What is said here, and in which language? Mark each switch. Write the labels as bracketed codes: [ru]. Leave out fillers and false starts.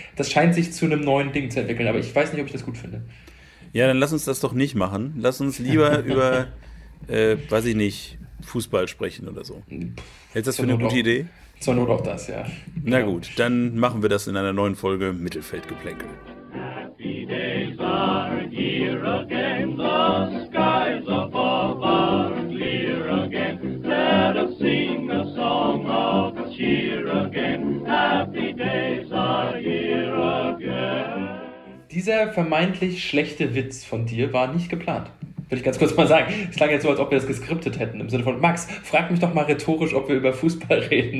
[de] Das scheint sich zu einem neuen Ding zu entwickeln, aber ich weiß nicht, ob ich das gut finde. Ja, dann lass uns das doch nicht machen. Lass uns lieber über, weiß ich nicht, Fußball sprechen oder so. Hältst du das für eine gute Idee? Zur Not auch das, ja. Na Genau. gut, dann machen wir das in einer neuen Folge Mittelfeldgeplänkel. [en] Happy days are here again, the skies above are clear again. Let us sing a song of cheer again. Happy days are here again. [de] Dieser vermeintlich schlechte Witz von dir war nicht geplant. Will ich ganz kurz mal sagen. Es klang jetzt so, als ob wir das geskriptet hätten. Im Sinne von, Max, frag mich doch mal rhetorisch, ob wir über Fußball